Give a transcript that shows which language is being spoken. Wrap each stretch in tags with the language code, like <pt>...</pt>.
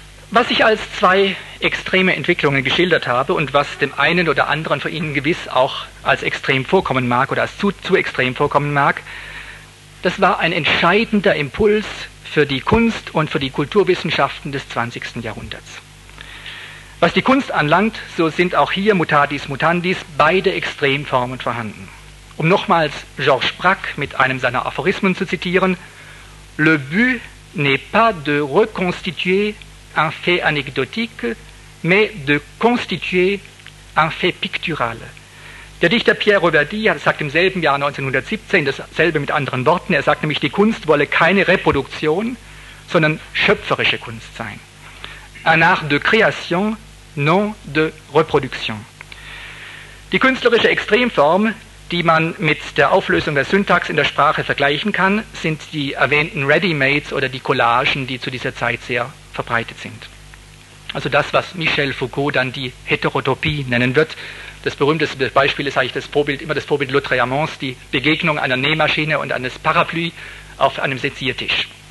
<de>Was ich als zwei extreme Entwicklungen geschildert habe und was dem einen oder anderen von Ihnen gewiss auch als extrem vorkommen mag oder als zu extrem vorkommen mag, das war ein entscheidender Impuls für die Kunst und für die Kulturwissenschaften des 20. Jahrhunderts. Was die Kunst anlangt, so sind auch hier mutatis mutandis beide Extremformen vorhanden. Um nochmals Georges Braque mit einem seiner Aphorismen zu zitieren:</de> <fr>Le but n'est pas de reconstituer un fait anecdotique, mais de constituer un fait pictural.</fr> <de>Der Dichter Pierre Reverdy sagt im selben Jahr 1917 dasselbe mit anderen Worten. Er sagt nämlich, die Kunst wolle keine Reproduktion, sondern schöpferische Kunst sein.</de> <fr>Un art de création, non de reproduction.</fr> <de>Die künstlerische Extremform, die man mit der Auflösung der Syntax in der Sprache vergleichen kann, sind die erwähnten Ready-Mades oder die Collagen, die zu dieser Zeit sehr verbreitet sind. Also das, was Michel Foucault dann die Heterotopie nennen wird. Das berühmteste Beispiel ist eigentlich das Vorbild Lautréamonts, die Begegnung einer Nähmaschine und eines Parapluie auf einem Seziertisch.</de>